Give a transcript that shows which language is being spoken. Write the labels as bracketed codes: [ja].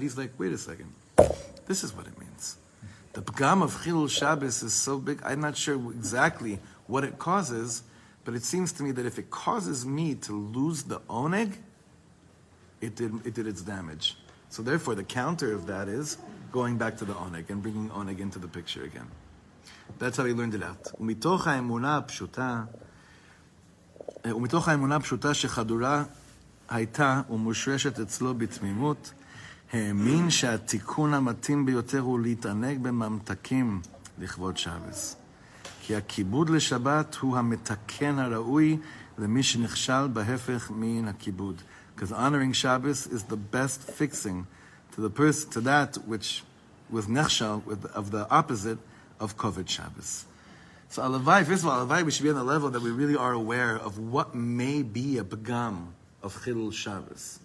[en] He's like, wait a second, this is what it means. The pgam of chilul Shabbos is so big, I'm not sure exactly what it causes, but it seems to me that if it causes me to lose the oneg, it did its damage. So therefore, the counter of that is going back to the oneg and bringing oneg into the picture again. That's how he learned it out. [he] ומתוך האמונה הפשוטה, שחדורה הייתה ומושרשת אצלו בתמימות, האמין שהתיקון המתאים ביותר הוא להתענג בממתקים לכבוד שבת. כי הכיבוד לשבת הוא המתקן הראוי למי שנכשל בהפך מן הכיבוד. [en] Because honoring Shabbos is the best fixing to the person, to that which was nechshal of the opposite of kovod Shabbos. So alavai, first of all, alavai, we should be on the level that we really are aware of what may be a pagam of chilul Shabbos.